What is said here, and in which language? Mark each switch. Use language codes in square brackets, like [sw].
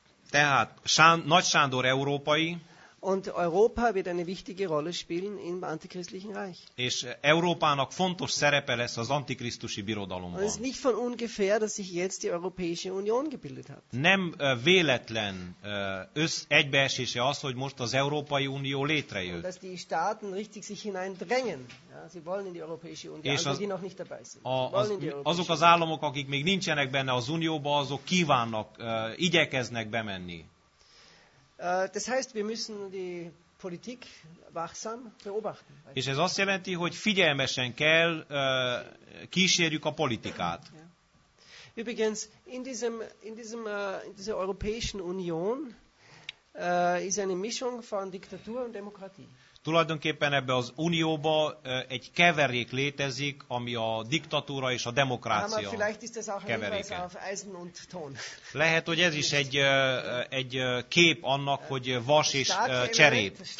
[hu] Tehát Nagy Sándor európai. [de] Und Europa wird eine wichtige Rolle spielen im antichristlichen Reich. [hu] És Európának fontos szerepe lesz az antikrisztusi birodalomban. [de] Und es ist nicht von ungefähr, dass sich jetzt die Europäische Union gebildet hat. [hu] Nem véletlen egybeesése az, hogy most az Európai Unió létrejött. [de] Und dass die Staaten richtig sich hineindrängen. Ja, sie wollen in die Europäische Union, és die noch nicht dabei sind. [hu] Azok az államok, akik még nincsenek benne az Unióba, azok kívánnak, igyekeznek bemenni. [de] Das heißt, wir müssen die Politik wachsam beobachten. [hu] És ez azt jelenti, hogy figyelmesen kell kísérjük a politikát. [de] Übrigens, in dieser Europäischen Union ist eine Mischung von Diktatur und Demokratie. [hu] Tulajdonképpen ebbe az unióba egy keverék létezik, ami a diktatúra és a demokrácia keveréke. Lehet, hogy ez is egy kép annak, hogy vas és cserép.